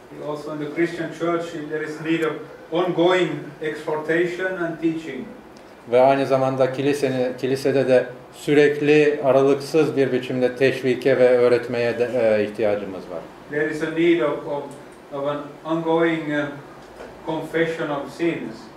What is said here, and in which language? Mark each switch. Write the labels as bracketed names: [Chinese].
[English] Also in the Christian church there is need of ongoing exhortation and teaching. [Turkish] Ve aynı zamanda kilisede de sürekli aralıksız bir biçimde teşvike ve öğretmeye de ihtiyacımız var. [English] There is a need of an ongoing confession of sins.